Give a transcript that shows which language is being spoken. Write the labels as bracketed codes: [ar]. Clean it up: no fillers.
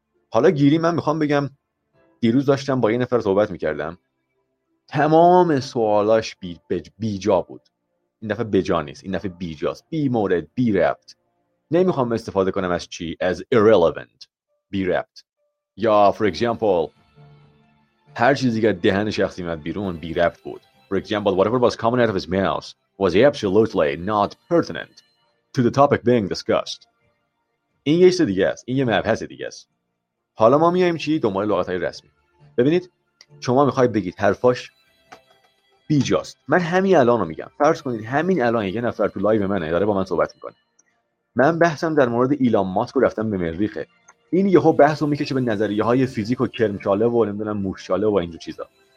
[fa] حالا گیری من میخوام بگم دیروز داشتم با یه نفر صحبت میکردم، تمام سوالاش بی جا بود. این دفعه بی جا نیست، این دفعه بی جاست، بی مورد، بی ربط. نمیخوام استفاده کنم از چی؟ از irrelevant، بی ربط. یا for example هر چیزی که دهن شخصی میاد بیرون بی ربط بود. [en] For example whatever was coming out of his mouth was absolutely not pertinent to the topic being discussed. [fa] این یه چیز دیگه است، این یه مبحث دیگه است. حالا ما میایم چی؟ دنبال لغت‌های رسمی. ببینید شما میخواهید بگید حرفاش بی جاست. من همین الان رو میگم. فرض کنید همین الان یه نفر تو لایو منه داره با من صحبت میکنه. من بحثم در مورد ایلان ماسک رفتم به مریخه. این یهو بحثو میکشه به نظریه‌های فیزیک و کرمچاله و نمیدونم موشچاله و اینجور چیزا.